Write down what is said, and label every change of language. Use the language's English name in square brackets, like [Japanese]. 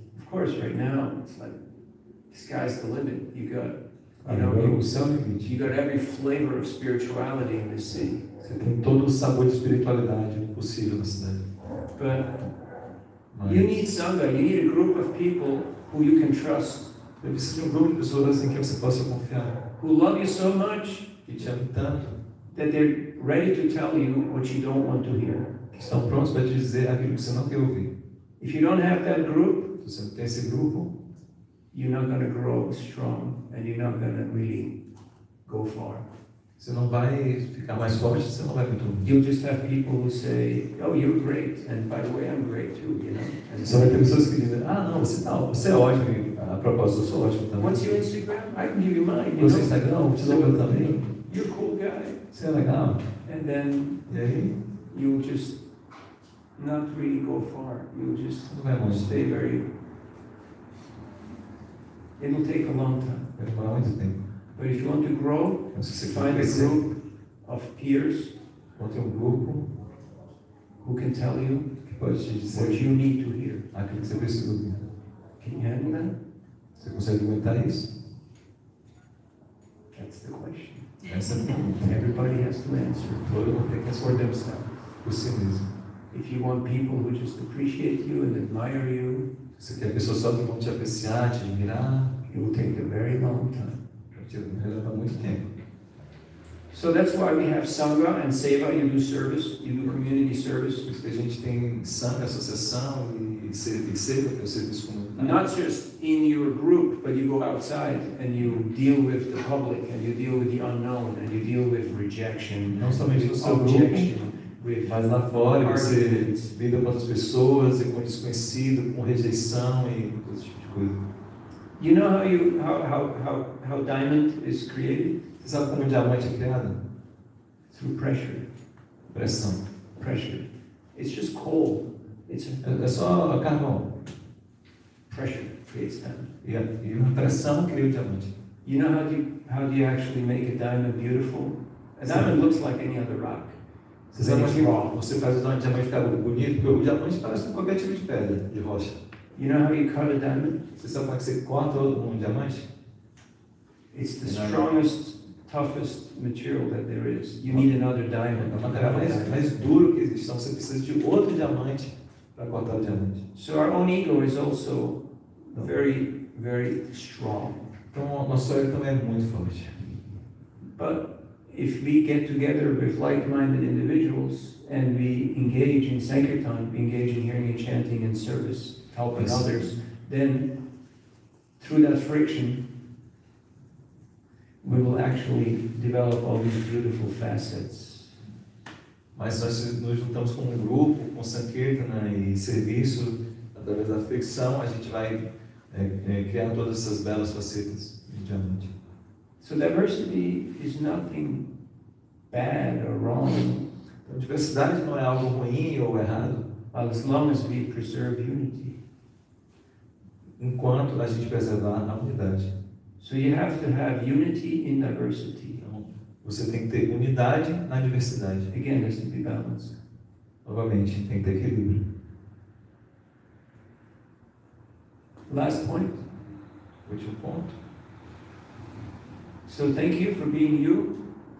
[English] Of course, right now, it's like, the sky's the limit. You got, you got every flavor of spirituality in this city. [Portuguese] Você tem todo o sabor de espiritualidade possível na cidade. [English] But you need sangha. You need a group of people who you can trust. [Portuguese] Você precisa de um grupo de pessoas em quem você possa confiar. [English] Who love you so much? [Portuguese] Que te ama tanto. [English] That they're ready to tell you what you don't want to hear. [Portuguese] Que estão prontos para te dizer aquilo que você não quer ouvir. [English] If you don't have that group, [Portuguese] se você não tem esse grupo, [English] you're not going to grow strong and you're not going to really go far. [Portuguese] Você não vai ficar mais forte, você não vai muito. [English] You'll just have people who say, oh, you're great, and by the way, I'm great too, you know. And [Portuguese] você vai ter pessoas que dizem, ah, não, você tá, você é ótimo, a propósito, eu sou ótimo também. [English] What's your Instagram? I can give you mine. [Portuguese] Você é Instagram, eu te dou meu também. [English] You're a cool guy. [Portuguese] Você é legal. [English] And then, [Portuguese] e aí? [English] You'll just not really go far. You'll just stay very. It will take a long time. [Portuguese] Vai demorar muito tempo. [English] But if you want to grow, find a group of peers, [Portuguese] um grupo [English] who can tell you [Portuguese] que pode te dizer [English] what you need to hear. [Portuguese] Aquilo que você precisa ouvir. [English] Can you handle that? [Portuguese] Você consegue aguentar isso? [English] That's the question. [Portuguese] Essa é a pergunta. [English] Everybody has to answer. [Portuguese] Todo mundo tem que [English] for themselves. [Portuguese] Por si mesmo. [English] If you want people who just appreciate you and admire you, [Portuguese] você quer pessoas só que vão te apreciar, te admirar? [English] It will take a very long time. [Portuguese] Vai levar muito tempo. [English] So that's why we have sangha and seva. You do service. You do community service. [Portuguese] Porque a gente tem sangha, associação e seva, que é o serviço comunitário. [English] Not just in your group, but you go outside and you deal with the public and you deal with the unknown and you deal with rejection. [Portuguese] Não somente no seu grupo. Mas lá fora você lida com outras pessoas e com desconhecido, com rejeição e coisas tipo de coisa. [English] You know how diamond is created? [Portuguese] Você sabe como o diamante é criado? [English] Through pressure. [Portuguese] Pressão. [English] Pressure. It's just coal. It's [Portuguese] é só carvão. [English] Pressure creates diamond. [Portuguese] Yeah. E a pressão cria o diamante. [English] You know how do you actually make a diamond beautiful? A diamond looks like any other rock. [Portuguese] Você faz o diamante ficar bonito, porque o diamante parece com qualquer tipo de pedra, de rocha. [English] You know how you cut a diamond? [Portuguese] Você sabe como é que você corta um diamante? [English] It's the strongest toughest material that there is. You need another diamond. [Portuguese] A matéria mais duro que existe. Então você precisa de outro diamante para cortar o diamante. [English] So our own ego is also very, very strong. [Portuguese] Então nosso ego também é muito forte. [English] But if we get together with like-minded individuals and we engage in sankirtan, engage in hearing and chanting and service, helping others, then through that friction, we will actually develop all these beautiful facets. [Portuguese] Mas nós nos juntamos com um grupo, com sankirtana e serviço, através da fricção, a gente vai criar todas essas belas facetas de diamante. [English] So diversity is nothing bad or wrong. [Portuguese] Então, diversidade não é algo ruim ou errado. [English] As long as we preserve unity. [Portuguese] Enquanto a gente preservar a unidade. [English] So you have to have unity in diversity. [Portuguese] Então, você tem que ter unidade na diversidade. [English] Again, there's to be balance. [Portuguese] Novamente, tem que ter equilíbrio. [English] Last point. [Portuguese] Último ponto. [English] So thank you for being you.